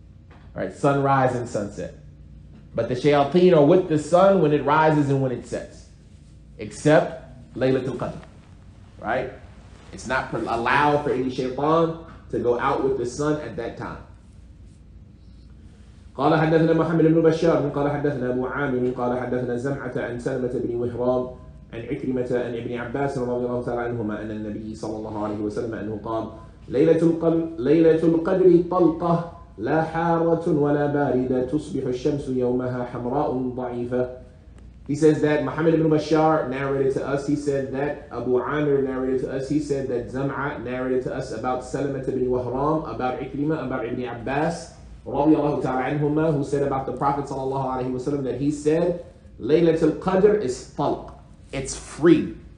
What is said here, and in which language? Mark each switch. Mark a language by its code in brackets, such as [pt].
[en] All right, sunrise and sunset. But the shayateen are with the sun when it rises and when it sets. Except Laylatul Qadr. Right? It's not allowed for any shaytan to go out with the sun at that time. [ar] قال حدثنا محمد بن بشار قال حدثنا أبو عامر قال حدثنا زمعة عن سلمة بن وهران عن عكرمة عن ابن عباس رضي الله تعالى عنهما أن النبي صلى الله عليه وسلم أنه قال ليلة القدر طلقة لا حارة ولا باردة تصبح الشمس يومها حمراء ضعيفة. [en] He says that Muhammad ibn Bashar narrated to us, he said that Abu Amir narrated to us, he said that Zam'a narrated to us about Salamah ibn Wahram, about Ikrimah, about Ibn Abbas, radiallahu ta'ala anhuma, who said about the Prophet sallallahu alayhi wa sallam that he said, ليلة القدر is طلق. It's free.